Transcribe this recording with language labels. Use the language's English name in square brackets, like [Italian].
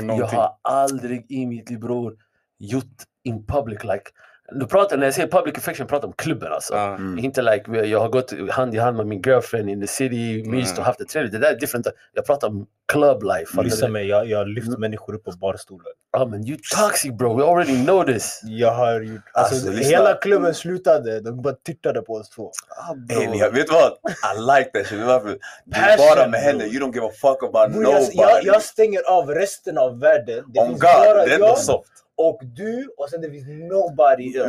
[Swedish] Jag har aldrig i mitt liv, bror, gjort [English] in public like... [Swedish] Du pratar, när jag säger public affection, pratar om klubben alltså. Inte like, jag har gått hand i hand med min girlfriend [English] in the city, [Swedish] minst och haft det trevligt. Det där är different. Jag pratar om club life. Lyssna mig, jag har lyft människor upp på barstolen. Ja, men [English] you toxic bro, we already know this. [Swedish] Jag har ju, alltså hela klubben slutade, de bara tittade på oss två. Jag vet vad, [English] I like that shit. [Swedish] Du är bara med henne, [English] you don't give a fuck about nobody. [Swedish] Jag stänger av resten av världen. Om god, det är ändå soft. Och du, och sen det finns nobody else.